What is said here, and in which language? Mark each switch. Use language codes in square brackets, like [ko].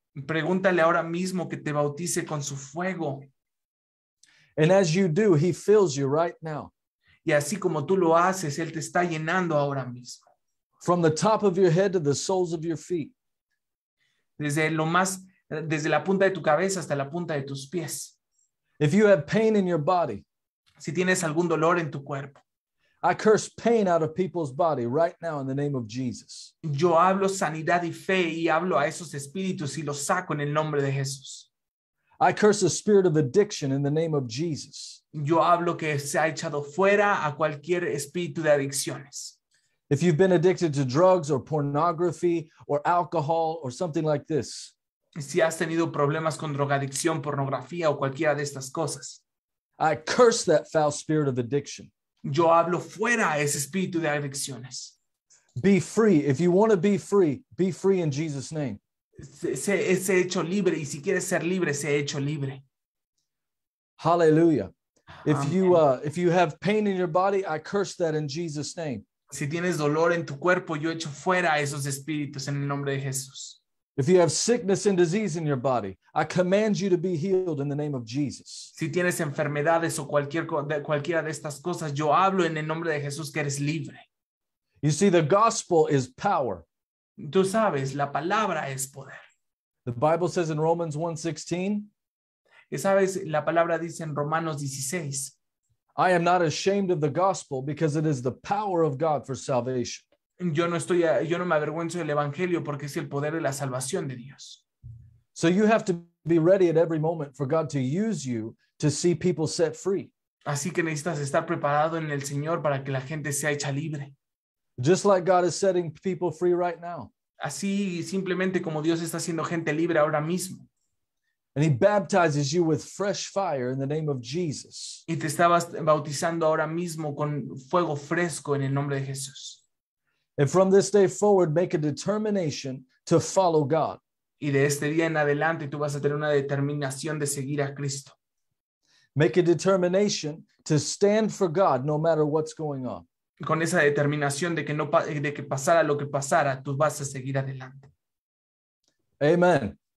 [es] Pregúntale ahora mismo que te bautice con su fuego. [en] And as you do, he fills you right now. [es] Y así como tú lo haces, él te está llenando ahora mismo. [en] From the top of your head to the soles of your feet. [es] Desde la punta de tu cabeza hasta la punta de tus pies. [en] If you have pain in your body. [es] Si tienes algún dolor en tu cuerpo. [en] I curse pain out of people's body right now in the name of Jesus. [es] Yo hablo sanidad y fe y hablo a esos espíritus y los saco en el nombre de Jesús. [en] I curse the spirit of addiction in the name of Jesus. [es] Yo hablo que se ha echado fuera a cualquier espíritu de adicciones. [en] If you've been addicted to drugs or pornography or alcohol or something like this. [es] Si has tenido problemas con drogadicción, pornografía o cualquiera de estas cosas. [en] I curse that foul spirit of addiction. [es] Yo hablo fuera a ese espíritu de adicciones. [en] Be free. If you want to be free in Jesus' name. [es] Se hecho libre. Y si quieres ser libre, se hecho libre. [en] Hallelujah. If you have pain in your body, I curse that in Jesus' name. [es] Si tienes dolor en tu cuerpo, yo echo fuera a esos espíritus en el nombre de Jesús. [en] If you have sickness and disease in your body, I command you to be healed in the name of Jesus. [es] Si tienes enfermedades o cualquiera de estas cosas, yo hablo en el nombre de Jesús que eres libre. [en] You see, the gospel is power. [es] Tú sabes, la palabra es poder. [en] The Bible says in Romans 1:16. [es] Y sabes, la palabra dice en Romanos 16. [en] I am not ashamed of the gospel because it is the power of God for salvation. [es] Yo no me avergüenzo del evangelio porque es el poder de la salvación de Dios. [en] So you have to be ready at every moment for God to use you to see people set free. [es] Así que necesitas estar preparado en el Señor para que la gente sea hecha libre. [en] Just like God is setting people free right now. [es] Así simplemente como Dios está haciendo gente libre ahora mismo. [en] And he baptizes you with fresh fire in the name of Jesus. [es] Y te estabas bautizando ahora mismo con fuego fresco en el nombre de Jesús. [en] And from this day forward, make a determination to follow God. [es] Y de este día en adelante, tú vas a tener una determinación de seguir a Cristo. [en] Make a determination to stand for God no matter what's going on. [es] Con esa determinación de que pasara lo que pasara, tú vas a seguir adelante. [en] Amen.